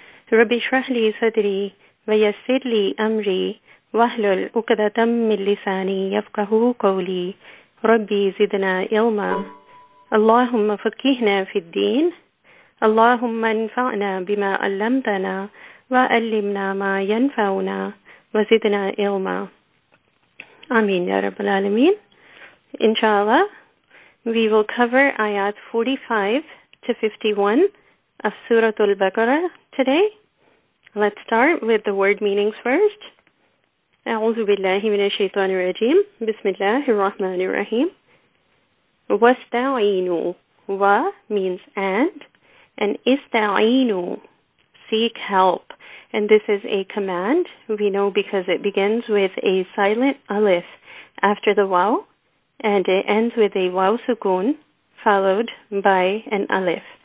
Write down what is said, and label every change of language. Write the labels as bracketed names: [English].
[Arabic] Rabbi shrah li sadri وَيَسِّرْ لِي أَمْرِي وَاحْلُلْ عُقْدَةً مِّن لِّسَانِي يَفْقَهُوا قَوْلِي رَبِّ زِدْنَا عِلْمًا اللَّهُمَّ فَقِّهْنَا فِي الدِّينِ اللَّهُمَّ انْفَعْنَا بِمَا عَلَّمْتَنَا وَعَلِّمْنَا مَا يَنفَعُنَا وَزِدْنَا عِلْمًا آمين يا رب العالمين. [English] Inshallah, we will cover ayat 45 to 51 of Surah Al-Baqarah today. Let's start with the word meanings first. [Arabic] أعوذ بالله من الشيطان الرجيم. بسم الله الرحمن الرحيم. واستعينوا. [English] و means and استعينوا, seek help. And this is a command. We know because it begins with a silent alif after the waw, and it ends with a waw sukun followed by an alif.